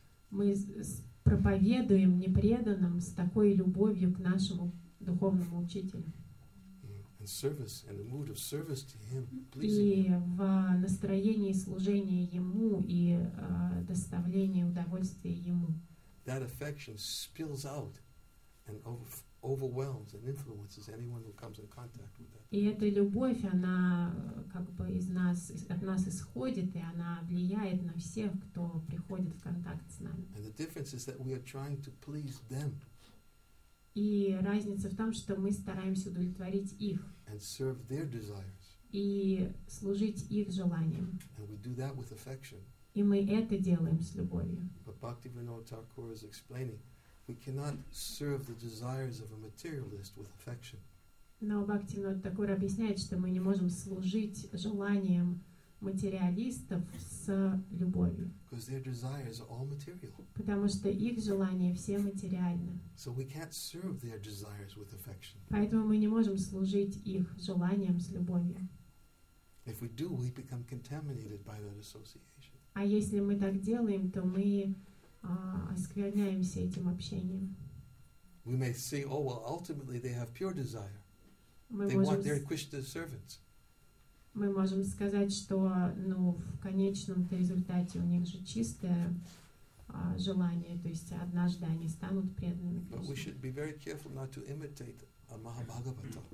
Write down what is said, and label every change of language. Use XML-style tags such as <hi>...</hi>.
<ru>Мы проповедуем непреданным с такой любовью к нашему духовному учителю.</ru> <en>And service, and the mood of service to him, pleasing him.</en> <ru>И в настроении служения ему и доставления удовольствия ему.</ru> <en>That affection spills out and overwhelms and influences anyone who comes in contact with that.</en> <ru>И эта любовь, она как бы от нас исходит, и она влияет на всех, кто приходит в контакт с нами.</ru> <en>And the difference is that we are trying to please them.</en> <ru>И разница в том, что мы стараемся удовлетворить их.</ru> <en>And serve their desires.</en> <ru>И служить их желаниям.</ru> <en>And we do that with affection.</en> <ru>И мы это делаем с любовью.</ru> <en>But Bhaktivinoda Thakur is explaining, we cannot serve the desires of a materialist with affection.</en> <ru>Но Бхактивинода Такур объясняет, что мы не можем служить желаниям материалистов с любовью.</ru> <en>Because their desires are all material.</en> <ru>Потому что их желания все материальны.</ru> <en>So we can't serve their desires with affection.</en> <ru>Поэтому мы не можем служить их желаниям с любовью.</ru> <en>If we do, we become contaminated by that association.</en> <ru>А если мы так делаем, то мы оскверняемся этим общением.</ru> <en>We may say, oh, well, ultimately they have pure desire. They want their Krishna servants.</en> <ru>Мы можем сказать, что, ну, в конечном-то результате у них же чистое желание, то есть однажды они станут преданными Кришне.</ru> <en>But we should be very careful not to imitate a Mahabhagavata,</en>